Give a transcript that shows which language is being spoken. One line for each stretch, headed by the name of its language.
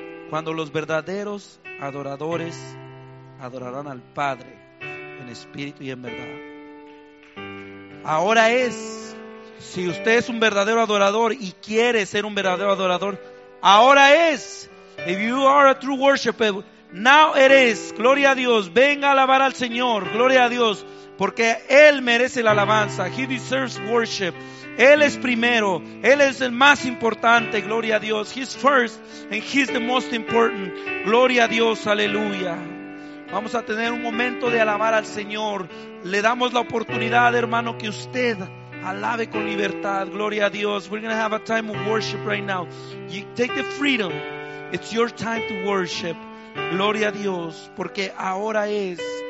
Spanish: Cuando los verdaderos adoradores adorarán al Padre en espíritu y en verdad. Ahora es. Si usted es un verdadero adorador y quiere ser un verdadero adorador, ahora es.
English: If you are a true worshiper, now it is.
Spanish: Gloria a Dios. Venga a alabar al Señor. Gloria a Dios. Porque Él merece la alabanza.
English: He deserves worship.
Spanish: Él es primero. Él es el más importante. Gloria a Dios.
English: He's first and He's the most important.
Spanish: Gloria a Dios. Aleluya. Vamos a tener un momento de alabar al Señor. Le damos la oportunidad, hermano, que usted alabe con libertad. Gloria a Dios.
English: We're going to have a time of worship right now. You take the freedom. It's your time to worship.
Spanish: Gloria a Dios, porque ahora es.